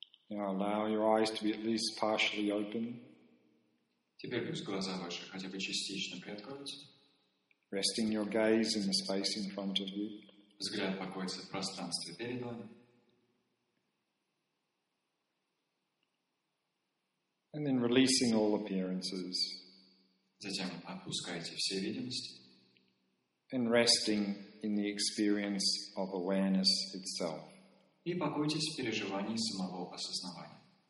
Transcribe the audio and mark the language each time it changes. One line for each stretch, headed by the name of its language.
English: Now allow your eyes to be at least partially open.
Russian: Теперь пусть глаза ваши хотя бы частично приоткроются.
English: Resting your gaze in the space in front of you.
Russian: Взгляд покоится в пространстве перед вами.
English: And then releasing all appearances.
Russian: Затем опускайте все видимости.
English: And resting in the experience of awareness itself.
Russian: И покойтесь в переживании самого осознавания.